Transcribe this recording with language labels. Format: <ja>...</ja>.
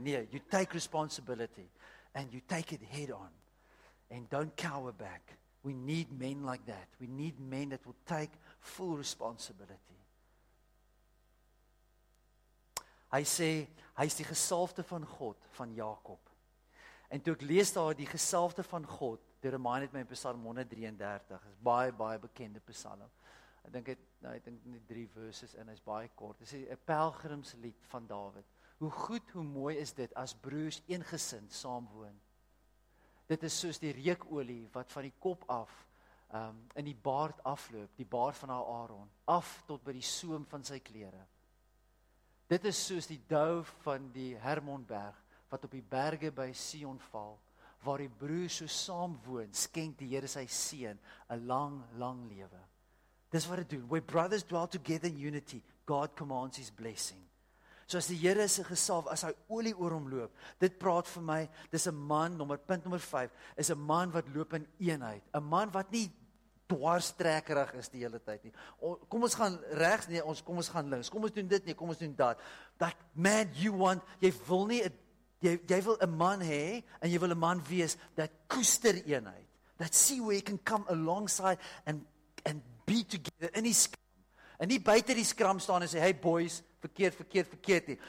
<en>Nee, you take responsibility, and you take it head on, and don't cower back. We need men like that. We need men that will take full responsibility.</en> <af>Hy sê, hy is die gesalfde van God, van Jakob. En toe ek lees daar die gesalfde van God, dit reminded my in Psalm 133, is baie, baie bekende psalm. Ek dink die drie verses en is baie kort. Dit is 'n pelgrimslied van David. Hoe goed, hoe mooi is dit as broers eengesind saamwoon. Dit is soos die reukolie wat van die kop af in die baard afloop, die baard van haar Aaron, af tot by die soem van sy klere. Dit is soos die dou van die Hermonberg, wat op die berge by Sion val, waar die broers so saam woon, skenk die Here sy seën, 'n lang, lang lewe. Dis wat dit doen.</af> <en>Where brothers dwell together in unity, God commands his blessing.</en> <af>So as die Here se gesalf, as hy olie oor hom loop, dit praat vir my, dis 'n man, punt nommer 5, is 'n man wat loop in eenheid, 'n man wat nie dwarstrekkerig is die hele tyd nie. Kom ons gaan regs, nee, kom ons gaan links. Kom ons doen dit nie, kom ons doen dat.</af> <en>That man you want,</en> <af>jy wil nie, jy wil 'n man hê en jy wil 'n man wees dat koester eenheid.</af> <en>That see where you can come alongside and be together in his skram.</en> <af>En nie buite die skram staan en sê, "Hey boys, verkeerd nie."</af>